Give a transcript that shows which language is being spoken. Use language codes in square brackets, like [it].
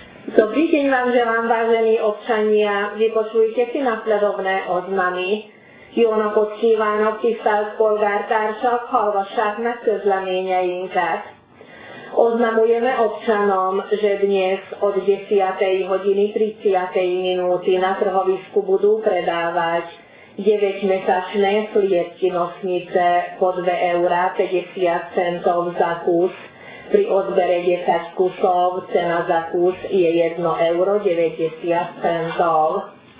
[sk] Dobrý deň vám želám, vážení občania. Vypočujte si nasledovné oznamy. [hu] Jónapot kívánok, tisztelt polgártársak, hallgassák meg közleményeinket. [sk] Oznamujeme občanom, že dnes od 10. hodiny 30. minúty na trhovisku budú predávať 9-mesačné sliepky nosnice po 2 eurá 50 centov za kus. Pri odbere 10 kusov cena za kus je 1 euro 90 centov.